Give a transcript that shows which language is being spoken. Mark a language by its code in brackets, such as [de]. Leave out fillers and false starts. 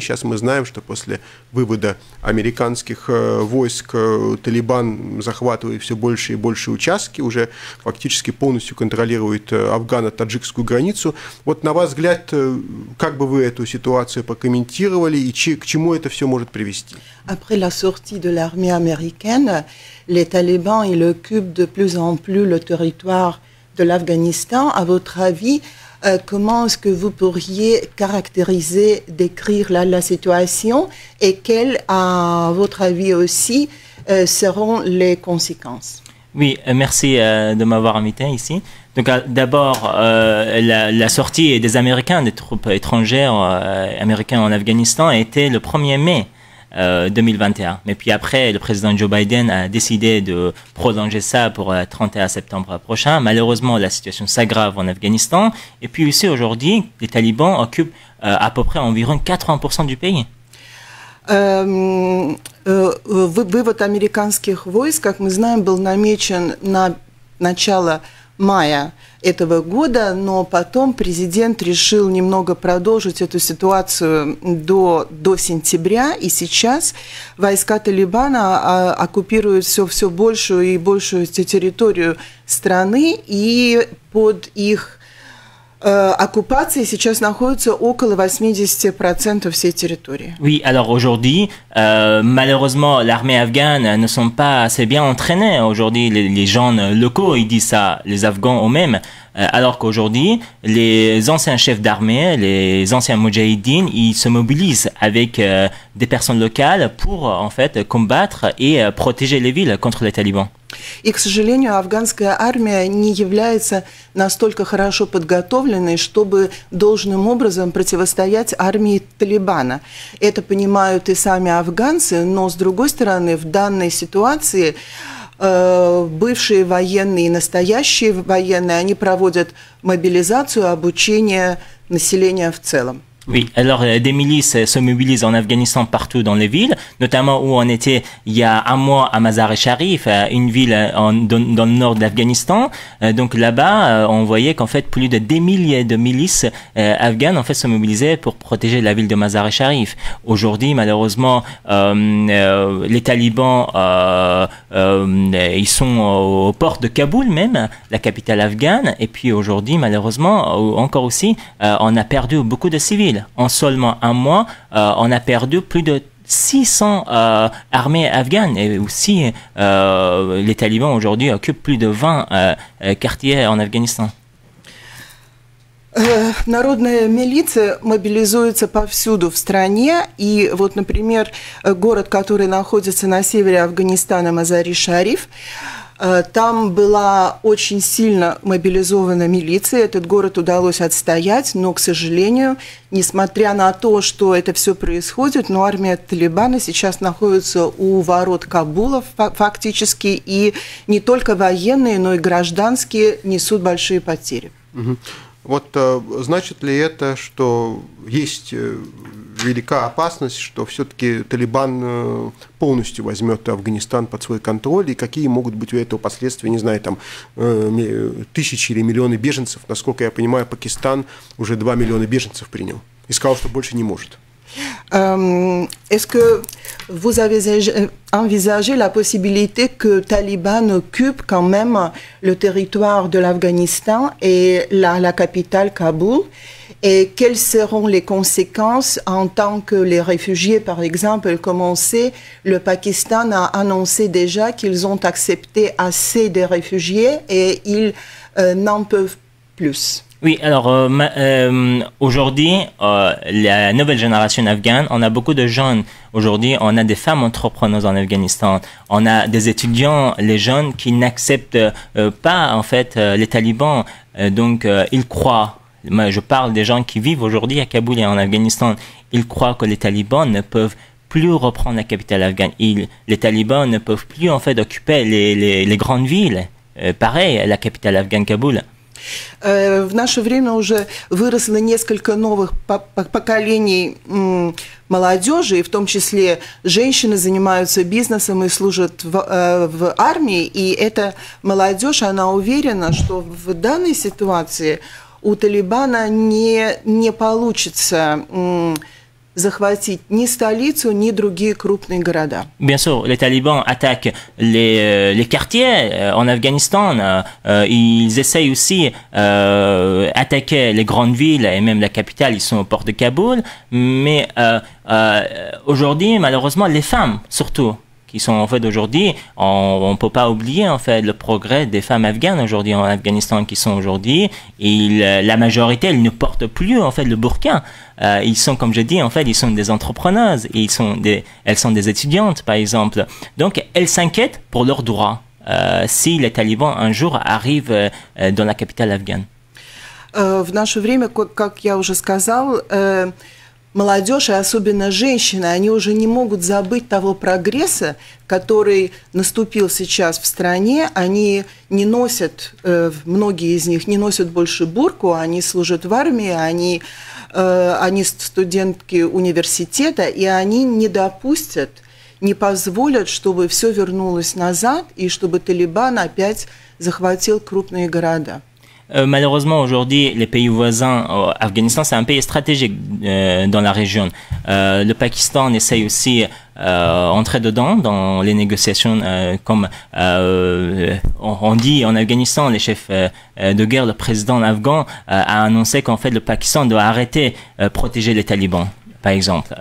[ru] Сейчас мы знаем, что после вывода американских войск Талибан захватывает все больше и больше участки, уже фактически полностью контролирует афгано-таджикскую границу. Вот на ваш взгляд, как бы вы эту ситуацию прокомментировали и к чему это все может привести? [fr] Après la sortie de l'armée américaine, les talibans ils occupent de plus en plus le territoire de l'Afghanistan. À votre avis, comment est-ce que vous pourriez caractériser, décrire la situation et quelles, à votre avis aussi, seront les conséquences? Oui, merci de m'avoir invité ici. Donc d'abord, la sortie des Américains, des troupes étrangères américaines en Afghanistan, a été le 1er mai 2021. Mais puis après, le président Joe Biden a décidé de prolonger ça pour le 31 septembre prochain. Malheureusement, la situation s'aggrave en Afghanistan. Et puis aussi aujourd'hui, les talibans occupent à peu près environ 80% du pays. [ru] Вывод американских войск, как мы знаем, был намечен на начало мая этого года, но потом президент решил немного продолжить эту ситуацию до сентября, и сейчас войска Талибана оккупируют все большую и большую территорию страны, и под их оккупации сейчас находится около 80% всей территории. [fr] Oui, alors aujourd'hui, malheureusement, l'armée afghane ne sont pas assez bien entraînées. Aujourd'hui, les gens locaux, ils disent ça, les Afghans eux-mêmes. Alors qu'aujourd'hui, les anciens chefs d'armée, les anciens mujahidines, ils se mobilisent avec des personnes locales pour, en fait, combattre et protéger les villes contre les talibans. [ru] И, к сожалению, афганская армия не является настолько хорошо подготовленной, чтобы должным образом противостоять армии Талибана. Это понимают и сами афганцы, но, с другой стороны, в данной ситуации бывшие военные и настоящие военные, они проводят мобилизацию, обучение населения в целом. [fr] Oui, alors des milices se mobilisent en Afghanistan partout dans les villes, notamment où on était il y a un mois à Mazar-e-Sharif, une ville dans le nord de l'Afghanistan. Donc là-bas, on voyait qu'en fait plus de 10 milliers de milices afghanes en fait se mobilisaient pour protéger la ville de Mazar-e-Sharif. Aujourd'hui, malheureusement, les talibans ils sont aux portes de Kaboul même, la capitale afghane. Et puis aujourd'hui, malheureusement, encore aussi, on a perdu beaucoup de civils. En seulement un mois, on a perdu plus de 600 armées afghanes et aussi les talibans aujourd'hui occupent plus de 20 quartiers en Afghanistan. [ru] Народная милиция мобилизуется повсюду в стране, и вот, например, город, который находится на севере Афганистана, Мазар-и-Шариф, там была очень сильно мобилизована милиция, этот город удалось отстоять, но, к сожалению, несмотря на то, что это все происходит, но армия Талибана сейчас находится у ворот Кабула фактически, и не только военные, но и гражданские несут большие потери. Вот значит ли это, что есть велика опасность, что все-таки Талибан полностью возьмет Афганистан под свой контроль, и какие могут быть у этого последствия, не знаю, там тысячи или миллионы беженцев? Насколько я понимаю, Пакистан уже 2 миллиона беженцев принял и сказал, что больше не может. [fr] Est-ce que vous avez envisagé la possibilité que les talibans occupent quand même le territoire de l'Afghanistan et la capitale Kaboul. Et quelles seront les conséquences en tant que les réfugiés, par exemple, commencent? Le Pakistan a annoncé déjà qu'ils ont accepté assez de réfugiés et ils n'en peuvent plus. Oui, alors aujourd'hui, la nouvelle génération afghane, on a beaucoup de jeunes. Aujourd'hui, on a des femmes entrepreneuses en Afghanistan. On a des étudiants, les jeunes, qui n'acceptent pas, en fait, les talibans. Ils croient. Moi, je parle des gens qui vivent aujourd'hui à Kaboul et en Afghanistan. Ils croient que les talibans ne peuvent plus reprendre la capitale afghane. Les talibans ne peuvent plus, en fait, occuper les grandes villes. Pareil, la capitale afghane, Kaboul. [ru] В наше время уже выросло несколько новых поколений молодежи, в том числе женщины занимаются бизнесом и служат в армии, и эта молодежь, она уверена, что в данной ситуации у Талибана не получится захватить ни столицу, ни другие крупные города. [fr] Bien sûr, les talibans attaquent les quartiers en Афганистане. Ils essayent aussi attaquer les grandes villes et même la capitale. Ils sont aux portes de Kaboul. Mais aujourd'hui, malheureusement, les femmes, surtout, qui sont en fait aujourd'hui, on ne peut pas oublier en fait le progrès des femmes afghanes aujourd'hui en Afghanistan qui sont aujourd'hui. La majorité, elles ne portent plus en fait le burqa. Ils sont, comme je dis, en fait, ils sont des entrepreneuses, elles sont des étudiantes, par exemple. Donc, elles s'inquiètent pour leurs droits si les talibans un jour arrivent dans la capitale afghane. [ru] В наше время, как я уже сказал, молодежь, и особенно женщины, они уже не могут забыть того прогресса, который наступил сейчас в стране. Они не носят, многие из них не носят больше бурку, они служат в армии, они студентки университета, и они не допустят, не позволят, чтобы все вернулось назад и чтобы Талибан опять захватил крупные города. [fr] Malheureusement, aujourd'hui, les pays voisins, Afghanistan, c'est un pays stratégique dans la région. Le Pakistan essaye aussi d'entrer dedans dans les négociations, on dit en Afghanistan, les chefs de guerre, le président afghan a annoncé qu'en fait, le Pakistan doit arrêter protéger les talibans. Par exemple.